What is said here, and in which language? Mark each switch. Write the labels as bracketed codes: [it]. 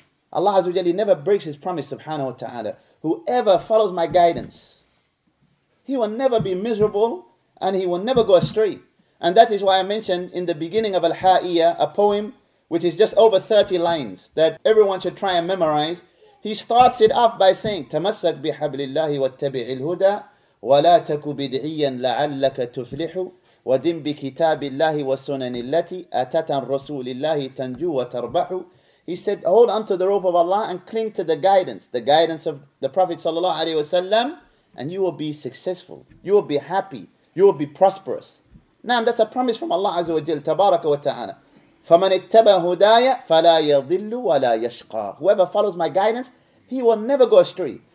[en] Allah Azza wa Jalla never breaks his promise, subhanahu wa ta'ala. Whoever follows my guidance, he will never be miserable and he will never go astray. And that is why I mentioned in the beginning of Al-Ha'iyya, a poem which is just over 30 lines that everyone should try and memorize. He starts it off by saying, [ar] تَمَسَّكْ بِحَبْلِ اللَّهِ وَاتَّبِعِ الْهُدَى وَلَا تَكُ بِدْعِيًّا لَعَلَّكَ تُفْلِحُ وَدِمْ بِكِتَابِ اللَّهِ وَسُنَنِ الَّتِي أَتَتَ رَسُولِ اللَّهِ تَنْجُو وَتَرْبَحُ. [en] He said, hold on to the rope of Allah and cling to the guidance of the Prophet sallallahu alaihi wasallam, and you will be successful. You will be happy. You will be prosperous. Naam, that's a promise from Allah Azza wa Jalla, Tabaraka wa Ta'ala. [ar] فَمَنْ اتَّبَى هُدَايَ فَلَا يَضِلُّ وَلَا يَشْقَى, [en] whoever follows my guidance, he will never go astray.